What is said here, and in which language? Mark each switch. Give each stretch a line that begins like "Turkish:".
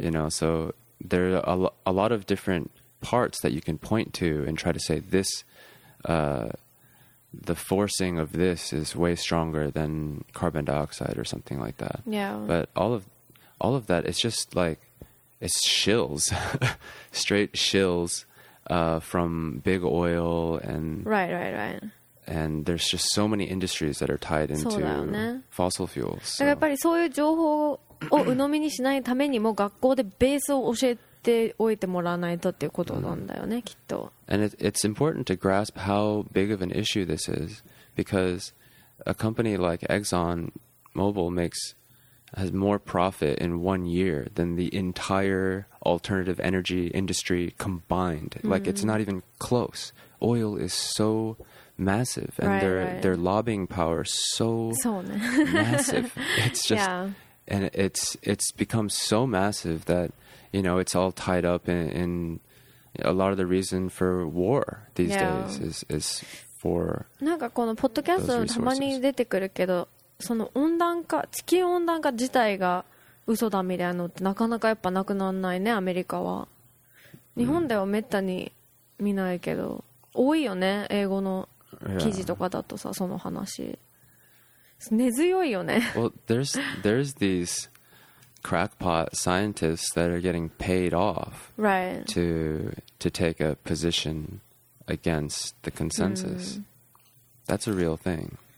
English: You know, so there are a lot of different parts that you can point to and try to say this...、the forcing of this is way stronger than carbon dioxide or something like that. Yeah. But all of that, it's just like, it's shills, straight shills from big oil and... Right, right, right. And there's just so many industries that are tied into、
Japanese: ね、
English: fossil fuels. So.
Japanese: だからやっぱりそういう情報を鵜呑みにしないためにも学校でベースを教えておいてもらわないとっていうことなんだよね、きっと。
English: And it's important to grasp how big of an issue this is, because a company like Exxon Mobil has more profit in 1 year than the entire alternative energy industry combined. Like, it's not even close. Oil is so massive, and right, their lobbying power is so massive. It's just...、 Yeah. And it's become so massive that, you know, it's all tied up in a lot of the reason for war these、 yeah. days is for
Japanese: なんかこのポッドキャストたまに出てくるけど、その温暖化、地球温暖化自体が嘘だみたいなのってなかなかやっぱなくならないね、アメリカは。日本ではめったに見ないけど、多いよね、英語の記事とかだとさ、
English: yeah.
Japanese: その話。根強いよね。
English: Well, there's these crackpot scientists that are getting paid off、 right. to take a position against the consensus.、That's a real thing.